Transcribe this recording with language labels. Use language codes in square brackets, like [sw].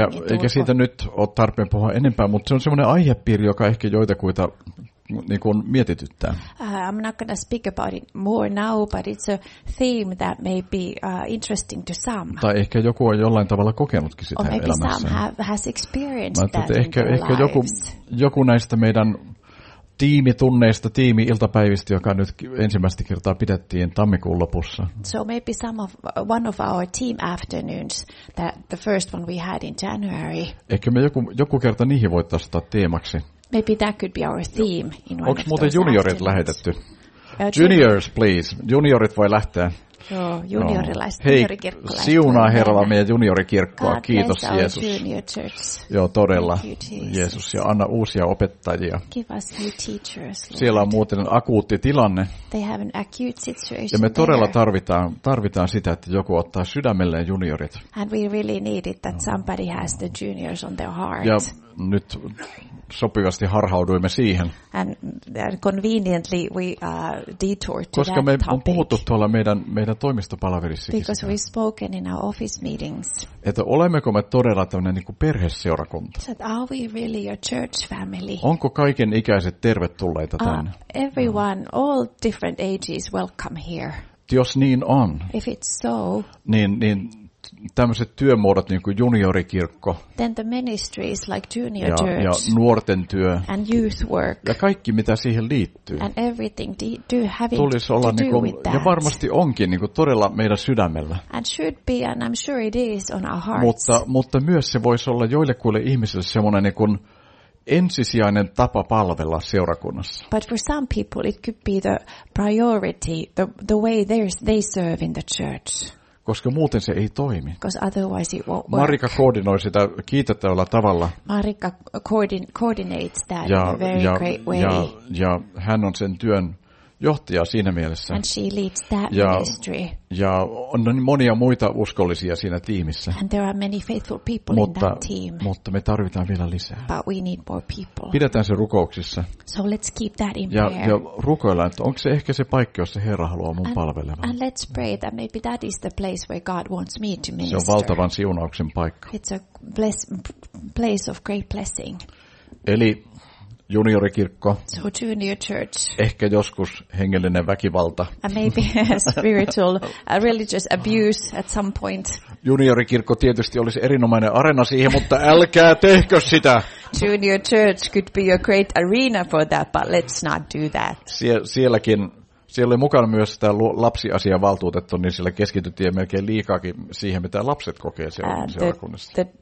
[fi] Eikä siitä nyt ole tarpeen puhua enempää, mutta se on semmoinen aihepiiri, joka ehkä joitakuita niin kuin mietityttää. [en] I'm not going to speak about it more now, but it's a theme that may be interesting to some. [fi] Tai ehkä joku on jollain tavalla kokenutkin sitä elämässä. [en] Or maybe some has experienced that in their lives. [fi] Ehkä joku näistä meidän tiimitunneista, tiimi-iltapäivistä, joka nyt ensimmäistä kertaa pidettiin tammikuun lopussa. [en] So maybe some of one of our team afternoons, that the first one we had in January. [fi] Ehkä me joku kerta niihin voittaisi ottaa teemaksi. [en] Maybe that could be our theme in one of those. [fi] Onko muuten juniorit lähetetty? [en] Juniors, please. [fi] Juniorit voi lähteä. Joo, juniorilaiset, juniorikirkkolaiset. Hei, siunaa Herralla meidän juniorikirkkoa. Kiitos Jeesus. Joo, todella. Jeesus, ja anna uusia opettajia. [en] Give us new teachers. [fi] Siellä on muuten akuutti tilanne. [en] They have an acute situation. [fi] Ja me todella tarvitaan sitä, että joku ottaa sydämelleen juniorit. [en] And we really need it that somebody has the juniors on their heart. [fi] Ja nyt sopivasti harhauduimme siihen. [en] And conveniently we detoured to that. [fi] Koska me on puhuttu tuolla meidän toimistopalaverissakin. [en] Because we've spoken in our office meetings. [fi] Että olemmeko me todella tämmöinen niin kuin perheseurakunta? [en] So are we really a church family? [fi] Onko kaiken ikäiset tervetulleita tänne? [en] Everyone, all different ages welcome here. [fi] Jos niin on. [en] If it's so. [fi] Niin tämmöiset työmuodot niin kuin juniorikirkko. [en] Then the ministries like junior church. [fi] Ja nuorten työ. [en] And youth work. [fi] Ja kaikki mitä siihen liittyy. [en] And everything do having [fi] tulisi olla [en] to [fi] niin kuin, [en] do with that. [fi] Ja varmasti onkin niin kuin todella meidän sydämellä. [en] And should be and I'm sure it is on our hearts. [fi] Mutta myös se voisi olla joillekuille ihmisille semmoinen niin kuin ensisijainen tapa palvella seurakunnassa. [en] But for some people it could be the priority, the way they serve in the church. [fi] Koska muuten se ei toimi. [en] Because otherwise it won't work. [fi] Marika koordinoi sitä kiitettävällä tavalla. [en] Marika coordinates that in a very great way. [fi] Ja hän on sen työn johtaja siinä mielessä. [en] And she leads that ministry. [fi] Ja on monia muita uskollisia siinä tiimissä. [en] And there are many faithful people [fi] mutta, [en] in that team. [fi] Mutta me tarvitaan vielä lisää. [en] But we need more people. [fi] Pidetään se rukouksissa. [en] So let's keep that in prayer. [fi] Ja rukoillaan, että onko se ehkä se paikka, jossa Herra haluaa mun palvelemaan. [en] And let's pray that maybe that is the place where God wants me to minister. [fi] Se on valtavan siunauksen paikka. [en] It's a place of great blessing. [fi] Eli juniorikirkko. [en] So junior church. [fi] Ehkä joskus hengellinen väkivalta. [en] And maybe spiritual religious abuse at some point. [fi] Juniorikirkko tietysti olisi erinomainen arena siihen, mutta älkää tehkö sitä. [en] Junior church could be a great arena for that, but let's not do that. [fi] Siellä oli mukana myös tämä lapsiasian valtuutettu, niin siellä keskityttiin melkein liikaakin siihen, mitä lapset kokee siellä seurakunnassa.